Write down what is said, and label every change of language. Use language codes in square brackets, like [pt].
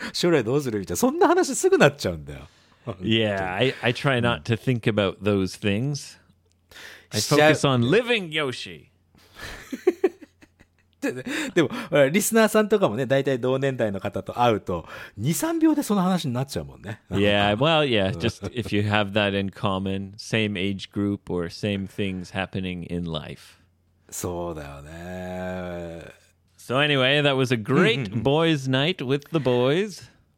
[ja] 30分するとね、老後の話始めちゃうんだよね。これから年金どうするとかさ、なんか将来どうするみたいな、そんな話すぐなっちゃうんだよ。 [en] Yeah, I try not to think about those things. I focus on living Yoshi. [ja] でも、リスナーさんとかもね、大体同年代の方と会うと 2、3 秒でその話になっちゃうもんね。Yeah, [en] well, yeah, just if you have that in common, same age group or same things happening in life. [ja] そうだよね。 [en] So anyway, that was a great boys' night with the boys.